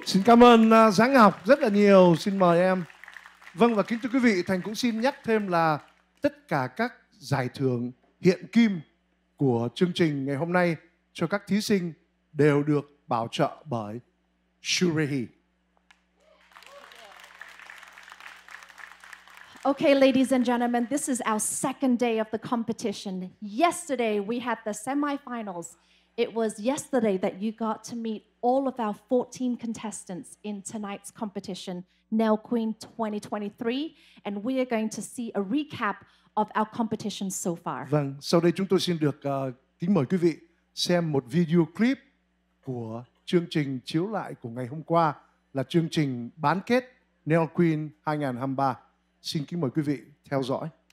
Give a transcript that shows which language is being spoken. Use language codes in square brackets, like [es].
[vi] Xin cảm ơn Giáng Ngọc rất là nhiều, xin mời em. Vâng, và kính thưa quý vị, Thành cũng xin nhắc thêm là tất cả các giải thưởng hiện kim của chương trình ngày hôm nay cho các thí sinh đều được bảo trợ bởi Shurihi. [en] Okay, ladies and gentlemen, this is our second day of the competition. Yesterday, we had the semifinals. It was yesterday that you got to meet all of our 14 contestants in tonight's competition, Nail Queen 2023, and we are going to see a recap of our competition so far. [vi] Vâng, sau đây chúng tôi xin được kính mời quý vị xem một video clip của chương trình chiếu lại của ngày hôm qua, là chương trình bán kết Nail Queen 2023. Xin kính mời quý vị theo dõi.